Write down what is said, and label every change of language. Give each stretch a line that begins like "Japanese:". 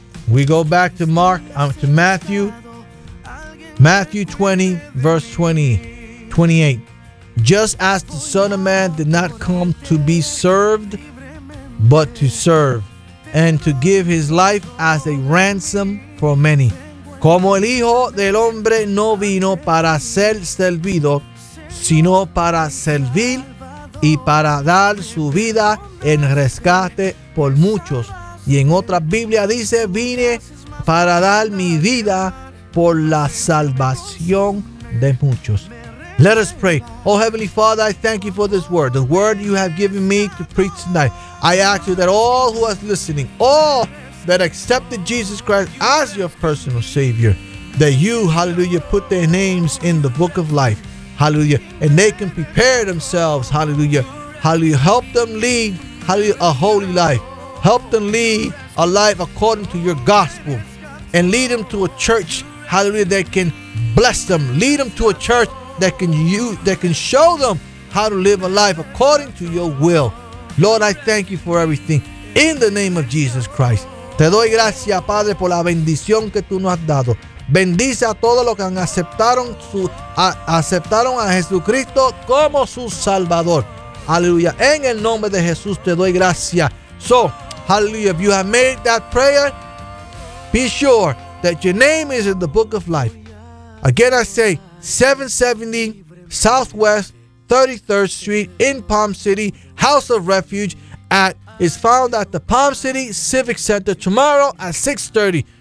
English: We go back to Matthew 20, verse 28. Just as the Son of Man did not come to be served, but to serve, and to give his life as a ransom for many.
Spanish: Como el Hijo del Hombre no vino para ser servido, sino para servir y para dar su vida en rescate por muchos. Y en otra Biblia dice, vine para dar mi vida por la salvación de muchos.
English: Let us pray. Oh, Heavenly Father, I thank you for this word, the word you have given me to preach tonight. I ask you that all who are listening, all that accepted Jesus Christ as your personal Savior, that you, hallelujah, put their names in the book of life, hallelujah, and they can prepare themselves, hallelujah, hallelujah, help them lead, hallelujah, a holy life, help them lead a life according to your gospel, and lead them to a church, hallelujah, that can bless them, lead them to a church that can show them how to live a life according to your will. Lord, I thank you for everything in the name of Jesus Christ.
Spanish: Te doy gracias, Padre, por la bendición que tú nos has dado. Bendice a todos los que aceptaron a Jesucristo como su Salvador. Aleluya. En el nombre de Jesús te doy gracias.
English: So, hallelujah, if you have made that prayer, be sure that your name is in the book of life. Again, I say, 770 Southwest 33rd Street in Palm City, House of Refuge, is found at the Palm City Civic Center tomorrow at 6:30.